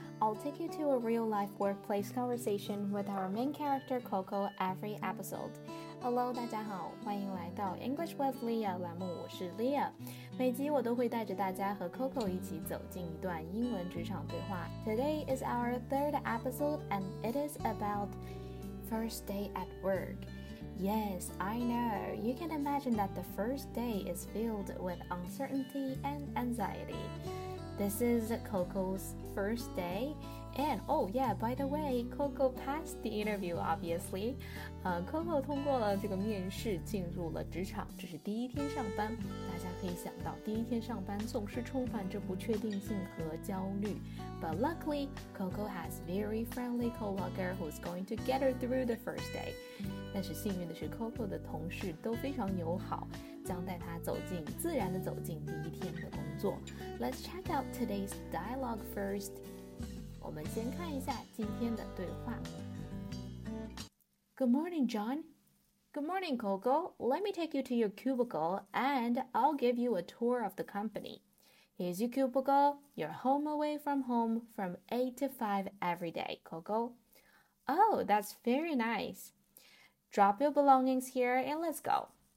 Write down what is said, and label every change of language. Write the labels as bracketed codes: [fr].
[en] I'll take you to a real-life workplace conversation with our main character Coco every episode. [zh] Hello, 大家好，欢迎来到 English with Leo 栏目，我是 Leo。每集我都会带着大家和 Coco 一起走进一段英文职场对话。 [en] Today is our third episode and it is about first day at work. Yes, I know. You can imagine that the first day is filled with uncertainty and anxiety. This is Coco's first day. And, oh yeah, by the way, Coco passed the interview, obviously. [zh] Coco 通过了这个面试进入了职场，这是第一天上班。大家可以想到第一天上班总是充满着不确定性和焦虑。 [en] But luckily, Coco has very friendly coworker who's going to get her through the first day. [zh] 但是幸运的是 Coco 的同事都非常友好，将带她走进自然地走进第一天的工作。 [en] Let's check out today's dialogue first. [zh] 我们先看一下今天的对话。 [en] Good morning, John. Good morning, Coco. Let me take you to your cubicle and I'll give you a tour of the company. Here's your cubicle, your home away from home from 8 to 5 every day, Coco. Oh, that's very nice. Drop your belongings here and let's go.